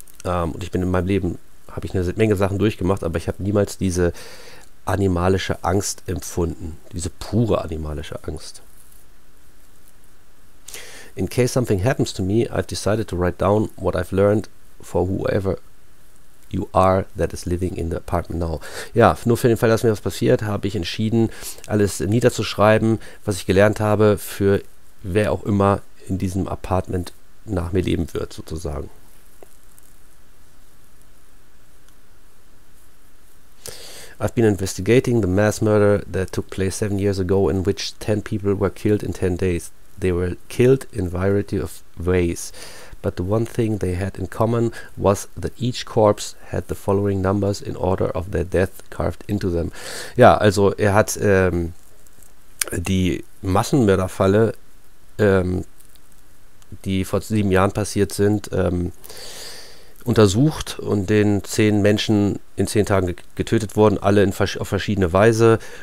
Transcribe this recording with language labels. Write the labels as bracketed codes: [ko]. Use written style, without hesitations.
[de] Und ich bin in meinem Leben, habe ich eine Menge Sachen durchgemacht, aber ich habe niemals diese animalische Angst empfunden. Diese pure animalische Angst. [en] In case something happens to me, I've decided to write down what I've learned for whoever you are that is living in the apartment now. [de] Ja, nur für den Fall, dass mir was passiert, habe ich entschieden, alles niederzuschreiben, was ich gelernt habe, für wer auch immer in diesem Apartment nach mir leben wird, sozusagen. [en] I've been investigating the mass murder that took place 7 years ago, in which 10 people were killed in 10 days. They were killed in a variety of ways, but the one thing they had in common was that each corpse had the following numbers in order of their death carved into them. [de] Ja, also er hat die Massenmörderfalle, die vor 7 Jahren passiert sind, untersucht und den 10 Menschen in 10 Tagen getötet wurden, alle auf verschiedene Weise.